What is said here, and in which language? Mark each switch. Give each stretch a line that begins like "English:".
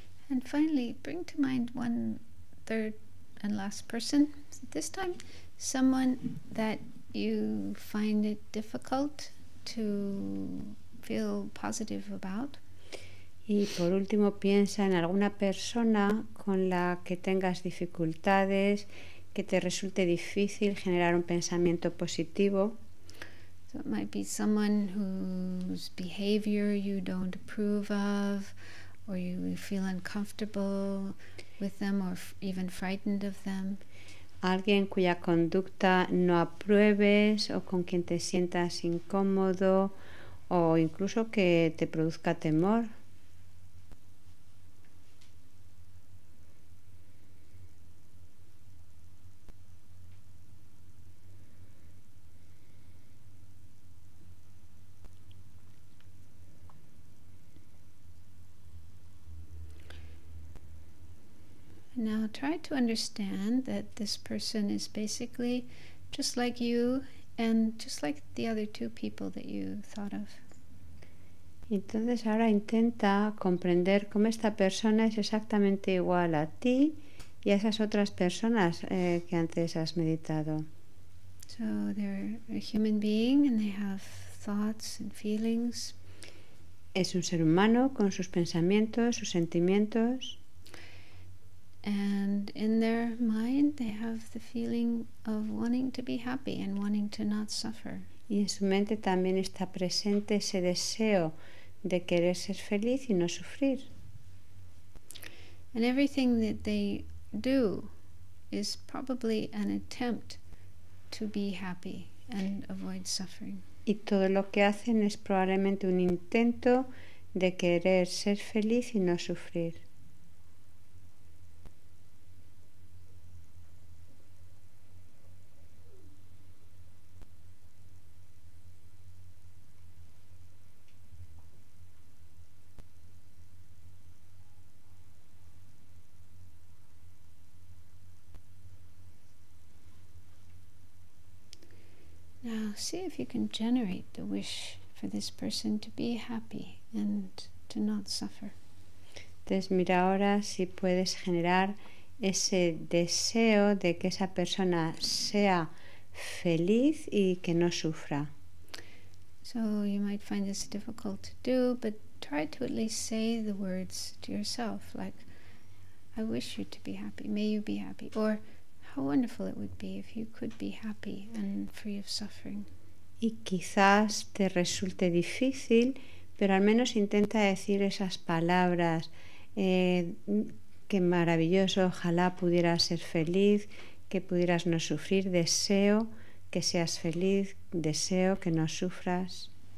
English: And finally, bring to mind one third and last person. This time, someone that you find it difficult to feel positive about.
Spanish: Y por último, piensa en alguna persona con la que tengas dificultades, que te resulte difícil generar un pensamiento positivo.
English: So it might be someone whose behavior you don't approve of, or you feel uncomfortable with them, or even frightened of them.
Spanish: Alguien cuya conducta no apruebes, o con quien te sientas incómodo, o incluso que te produzca temor.
English: Now try to understand that this person is basically just like you and just like the other two people that you thought of.
Spanish: Entonces ahora intenta comprender cómo esta persona es exactamente igual a ti y a esas otras personas que antes has meditado.
English: So they're a human being and they have thoughts and feelings.
Spanish: Es un ser humano con sus pensamientos, sus sentimientos.
English: And in their mind they have the feeling of wanting to be happy and wanting to not suffer.
Spanish: Y en su mente también está presente ese deseo de querer ser feliz y no sufrir.
English: And everything that they do is probably an attempt to be happy and avoid suffering.
Spanish: Y todo lo que hacen es probablemente un intento de querer ser feliz y no sufrir.
English: Now see if you can generate the wish for this person to be happy and to not suffer.
Spanish: Entonces mira ahora si puedes generar ese deseo de que esa persona sea feliz y que no sufra.
English: So you might find this difficult to do, but try to at least say the words to yourself, like, I wish you to be happy, may you be happy, or how wonderful it would be if you could be happy and free of suffering.
Spanish: Y quizás te resulte difícil, pero al menos intenta decir esas palabras. Qué maravilloso, ojalá pudieras ser feliz, que pudieras no sufrir, deseo que seas feliz, deseo que no sufras.